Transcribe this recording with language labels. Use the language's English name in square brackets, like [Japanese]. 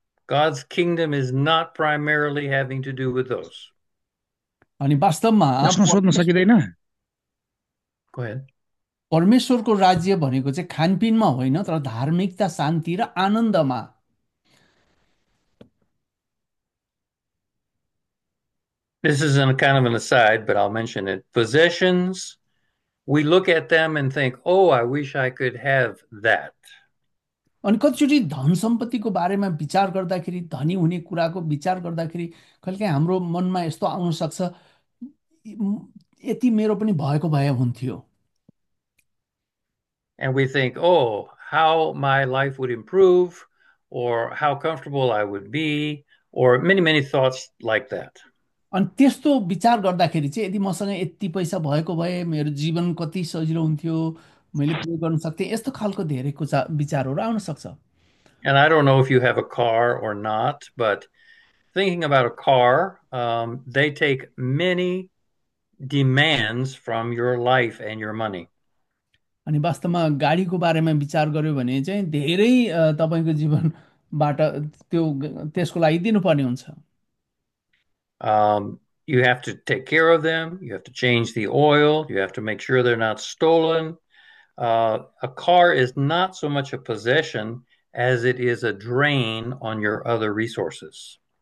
[English] God's kingdom is not primarily having to do with those. [Nepali] अनि वास्तवमा प्रश्न सोध्न सकिँदैन? [English] Go ahead. [Nepali] परमेश्वरको राज्य भनेको चाहिँ खानपिनमा होइन, तर धार्मिकता, शान्ति र आनन्दमा। [English] This is a kind of an aside, but I'll mention it. Possessions, we look at them and think, oh, I wish I could have that. [Nepali] अनि कतिचोटि धन सम्पत्तिको बारेमा विचार गर्दाखेरि, धनी हुने कुराको विचार गर्दाखेरि कहिलेकाहीँ हाम्रो मनमा यस्तो आउन सक्छ, यति मेरो पनि भएको भए हुन्थ्यो। [English] And we think, oh, how my life would improve, or how comfortable I would be, or many, many thoughts like that. [Nepali] अनि त्यस्तो विचार गर्दाखेरि चाहिँ यदि मसँग यति पैसा भएको भए मेरो जीवन कति सजिलो हुन्थ्यो, मैले पुरा गर्न सक्थेँ, यस्तो खालको धेरै कुरा विचारहरू आउन सक्छ। [English] And I don't know if you have a car or not, but thinking about a car, they take many demands from your life and your money. [Nepali] अनि वास्तवमा गाडीको बारेमा विचार गर्यो भने चाहिँ धेरै तपाईँको जीवनबाट त्यो त्यसको लागि दिनुपर्ने हुन्छ। [English] You have to take care of them. You have to change the oil. You have to make sure they're not stolen. A car is not so much a possession as it is a drain on your other resources.